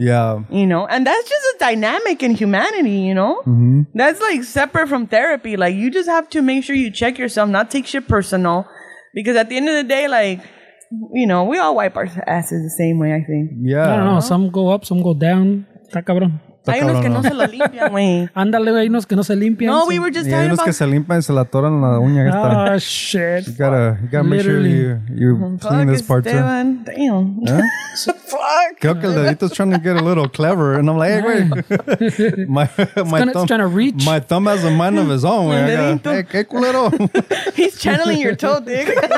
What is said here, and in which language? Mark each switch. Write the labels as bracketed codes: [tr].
[en] Yeah. You know, and that's just a dynamic in humanity, you know? Mm-hmm. That's like separate from therapy. Like, you just have to make sure you check yourself, not take shit personal. Because at the end of the day, we all wipe our asses the same way, I think. Yeah. I don't know. Some go up, some go down. [es] Está cabrón. Hay unos que no se la limpian, güey. Ándale, hay unos que no se limpian. [en] No, we were just talking about... [es] Hay unos que se limpian y se la atoran la uña. [en] Ah, shit. You gotta make sure you clean this part, Esteban. Too. Damn. Yeah? Fuck. [es] Creo que el dedito's [en] trying to get a little clever. And I'm like, hey, güey. It's trying to reach. My thumb has a mind of his own, güey. Hey, [es] qué culero. [en] He's channeling your toe, dick.